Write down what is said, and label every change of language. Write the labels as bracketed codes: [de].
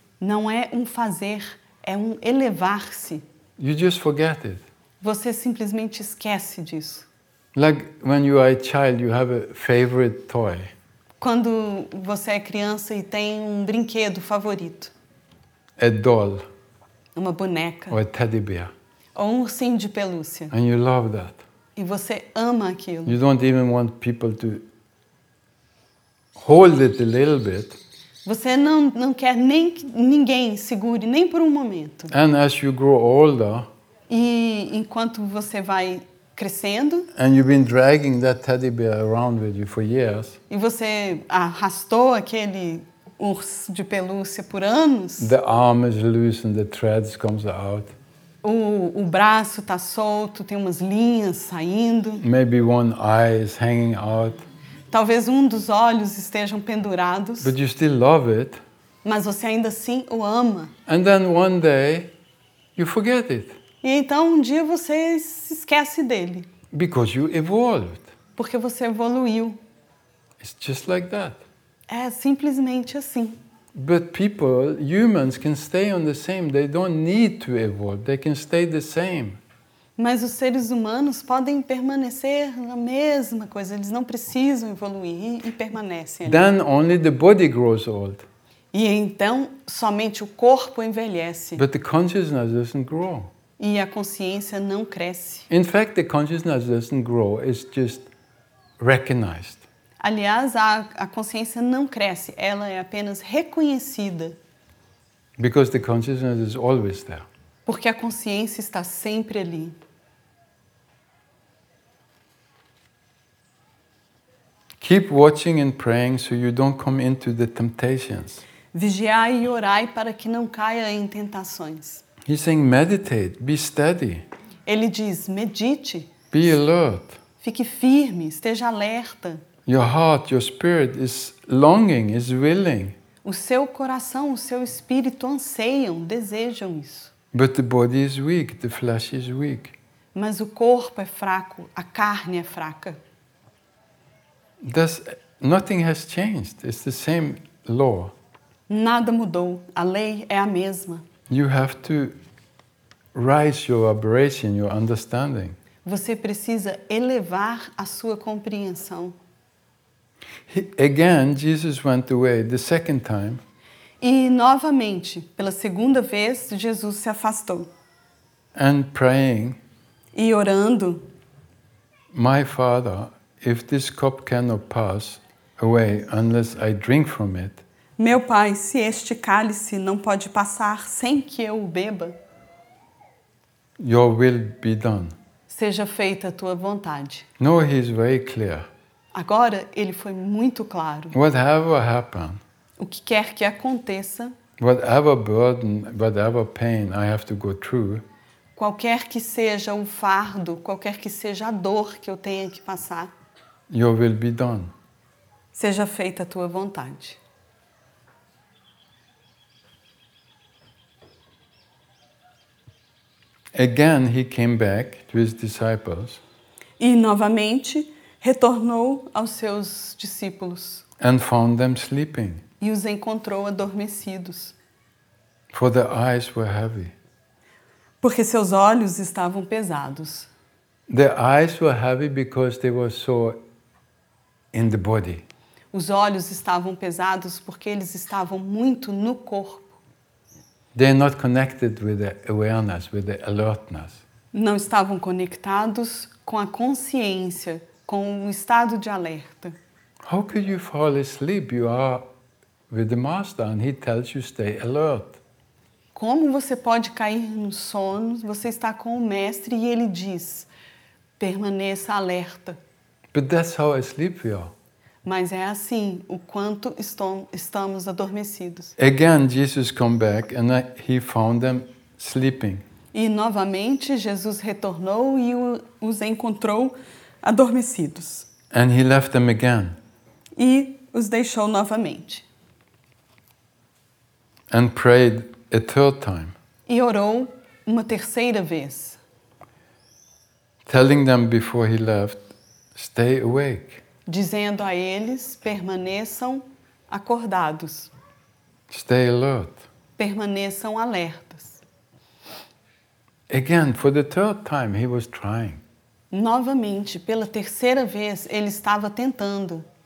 [pt] Não é fazer, é elevar-se. [en] You just forget it. [pt] Você simplesmente esquece disso. [en] Like when you are a child, you have a favorite toy. [pt] Quando você é criança e tem brinquedo favorito. [en] A doll. [pt] Uma boneca. [en] Or a teddy bear. [pt] Ou ursinho de pelúcia. [en] And you love that. [pt] E você ama aquilo. [en] You don't even want people to hold it a little bit. [pt] Você não quer nem que ninguém segure nem por momento. [en] And as you grow older. [pt] E enquanto você vai crescendo. [en] And you've been dragging that teddy bear around with you for years. [pt] E você arrastou aquele urso de pelúcia por anos. [en] The arm is loose and the threads comes out. [pt] O braço está solto, tem umas linhas saindo. [en] Maybe one eye is hanging out. [pt] Talvez dos olhos estejam pendurados. [en] But you still love it. [pt] Mas você ainda assim o ama. [en] And then one day, you forget it. [pt] E então dia você se esquece dele. [en] Because you evolved. [pt] Porque você evoluiu. [en] It's just like that. [pt] É simplesmente assim. [en] But people, humans, can stay on the same. They don't need to evolve. They can stay the same. [pt] Mas os seres humanos podem permanecer na mesma coisa. Eles não precisam evoluir e permanecem ali. [en] Then only the body grows old. [pt] E então somente o corpo envelhece. [en] But the consciousness doesn't grow. [pt] E a consciência não cresce. [en] In fact, the consciousness doesn't grow. It's just recognized. [pt] Aliás, a consciência não cresce. Ela é apenas reconhecida. [en] Because the consciousness is always there. [pt] Porque a consciência está sempre ali. [en] Keep watching and praying so you don't come into the temptations. [pt] Vigiai e orai para que não caia em tentações. [en] He's saying meditate, be steady. [pt] Ele diz, medite. [en] Be alert. [pt] Fique firme, esteja alerta. [en] Your heart, your spirit is longing, is willing. [pt] O seu coração, o seu espírito anseiam, desejam isso. [en] But the body is weak, the flesh is weak. [pt] Mas o corpo é fraco, a carne é fraca. [en] Thus, nothing has changed. It's the same law. [pt] Nada mudou. A lei é a mesma. [en] You have to raise your vibration, your understanding. [pt] Você precisa elevar a sua compreensão. [en] Again, Jesus went away the second time. [pt] E novamente, pela segunda vez, Jesus se afastou. [en] And praying. [pt] E orando. [en] My Father, if this cup cannot pass away unless I drink from it. [pt] Meu Pai, se este cálice não pode passar sem que eu o beba. [en] Your will be done. [pt] Seja feita a tua vontade. [en] No, he is very clear. [pt] Agora ele foi muito claro. [en] Whatever happened. [pt] O que quer que aconteça. [en] Whatever burden, whatever pain I have to go through. [pt] Qualquer que seja o fardo, qualquer que seja a dor que eu tenha que passar. [en] Your will be done. [pt] Seja feita a tua vontade. [en] Again he came back to his disciples. [pt] E novamente retornou aos seus discípulos. [en] And found them sleeping. [pt] E os encontrou adormecidos. [en] For their eyes were heavy. [pt] Porque seus olhos estavam pesados. [en] Their eyes were heavy because they were so in the body. [pt] Os olhos estavam pesados porque eles estavam muito no corpo. [en] They're not connected with the awareness, with the alertness. [pt] Não estavam conectados com a consciência, com o estado de alerta. [en] How could you fall asleep? You are with the master and he tells you stay alert. [pt] Como você pode cair no sono? Você está com o mestre e ele diz: permaneça alerta. [en] But that's how I sleep, we are. [pt] Mas é assim o quanto estamos adormecidos. [en] Again, Jesus came back and he found them sleeping. [pt] E novamente Jesus retornou e os encontrou adormecidos. [en] And he left them again. [pt] E os deixou novamente. [en] And prayed a third time. [pt] E orou uma terceira vez. [en] Telling them before he left, stay awake. [pt] Dizendo a eles, permaneçam acordados. [en] Stay alert. [pt] Permaneçam alertas. [en] Again, for the third time, he was trying. [pt] Novamente, pela terceira vez, ele estava tentando.